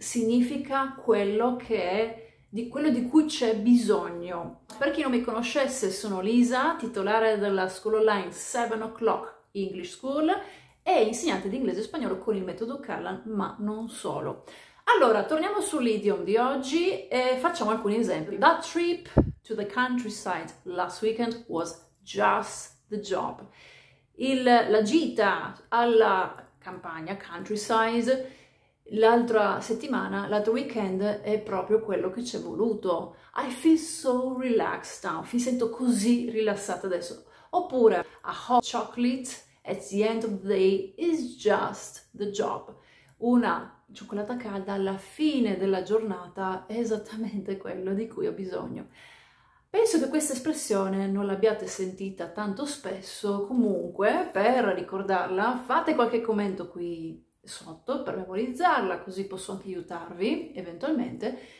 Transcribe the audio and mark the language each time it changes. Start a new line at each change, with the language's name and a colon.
Italian: Significa quello che è, di quello di cui c'è bisogno. Per chi non mi conoscesse, sono Lisa, titolare della School Online 7 O'Clock English School. È insegnante di inglese e spagnolo con il metodo Karlan, ma non solo. Allora, torniamo sull'idiom di oggi e facciamo alcuni esempi.
English: That trip to the countryside last weekend was just the job.
Italian: La gita alla campagna, countryside, l'altra settimana, l'altro weekend, è proprio quello che ci è voluto.
English: I feel so relaxed now.
Italian: Mi sento così rilassata adesso. Oppure,
English: a hot chocolate at the end of the day is just the job.
Italian: Una cioccolata calda alla fine della giornata è esattamente quello di cui ho bisogno. Penso che questa espressione non l'abbiate sentita tanto spesso, comunque, per ricordarla, fate qualche commento qui sotto per memorizzarla, così posso anche aiutarvi eventualmente.